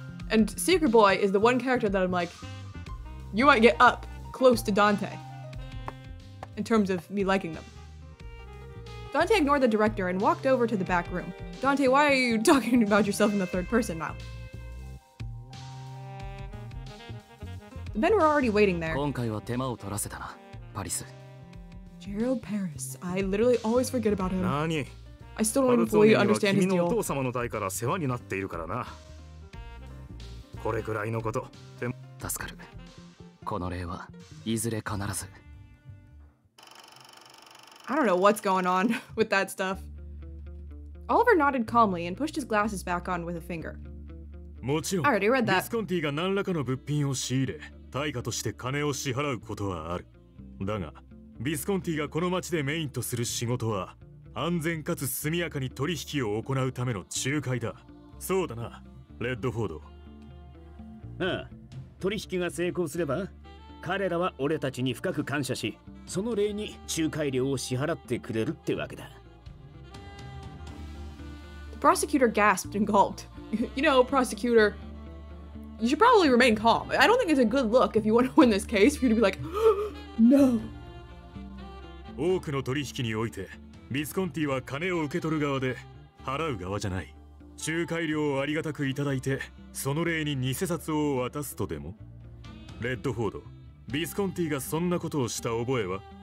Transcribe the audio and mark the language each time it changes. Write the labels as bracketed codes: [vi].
[en] And Secret Boy is the one character that I'm like, you might get up close to Dante in terms of me liking them. Dante ignored the director and walked over to the back room. Dante, why are you talking about yourself in the third person now? The men were already waiting there. [ja] 今回は手間を取らせたな、パリス。 [en] Gerald Paris. I literally always forget about him. [ja] 何? [en] I still don't fully understand his deal. [ja] 君のお父様の代から世話になっているからな。これくらいのこと。助かる。この礼はいずれ必ず。 [en] I don't know what's going on with that stuff. Oliver nodded calmly and pushed his glasses back on with a finger. [ja] もちろん、ビスコンティが何らかの物品を仕入れ、対価として金を支払うことはある。だが、ビスコンティがこの町でメインとする仕事は、安全かつ速やかに取引を行うための仲介だ。そうだな、レッドフォード。ああ、取引が成功すれば、彼らは俺たちに深く感謝し、その礼に仲介料を支払ってくれるってわけだ。 [en] The prosecutor gasped and gulped. You know, prosecutor, you should probably remain calm. I don't think it's a good look if you want to win this case for you to be like, no. [ja] 多くの取引において、ビスコンティは金を受け取る側で、払う側じゃない。仲介料をありがたくいただいて、その礼に偽札を渡すとでも。レッドフォード、ビスコンティがそんなことをした覚えは？